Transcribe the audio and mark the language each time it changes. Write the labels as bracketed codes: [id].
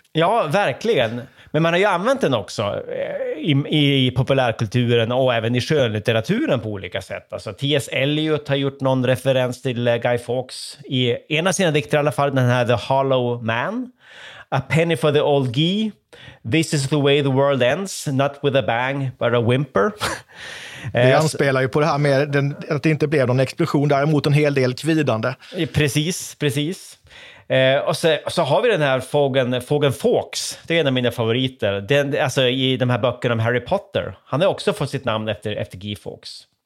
[sv] Ja, verkligen. Men man har ju använt den också i populärkulturen och även i skönlitteraturen på olika sätt. Alltså, T.S. Eliot har gjort någon referens till Guy Fawkes i en av sina dikter i alla fall, den här The Hollow Man. [en] A penny for the old Guy. This is the way the world ends. Not with a bang, but a whimper. [sv] Det anspelar ju på det här med att det inte blev någon explosion, däremot en hel del kvidande. Precis, precis. Och så har vi den här fågeln Fawkes. Det är en av mina favoriter. Alltså i de här böckerna om Harry Potter. Han har också fått sitt namn efter Guy Fawkes.